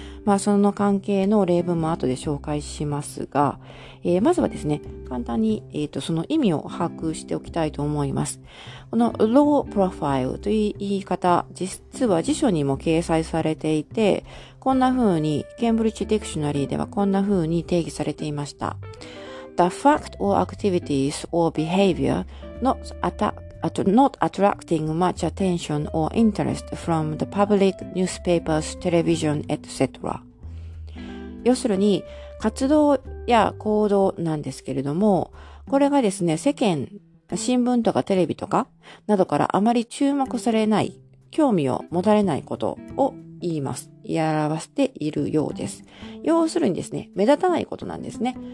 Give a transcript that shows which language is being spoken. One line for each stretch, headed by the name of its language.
Japanese: まあ、その関係の例文も後で紹介しますが、まずはですね、簡単に、その意味を把握しておきたいと思います。この low profile という言い方、実は辞書にも掲載されていて、こんな風に、ケンブリッジディクショナリーではこんな風に定義されていました。
English: The fact or activities or behavior not attracting much attention or interest from the public, newspapers, television, etc.
Japanese: 要するに、活動や行動なんですけれども、これがですね、世間、新聞とかテレビとかなどからあまり注目されない、興味を持たれないことを言います。言い表しているようです。要するにですね、目立たないことなんですね。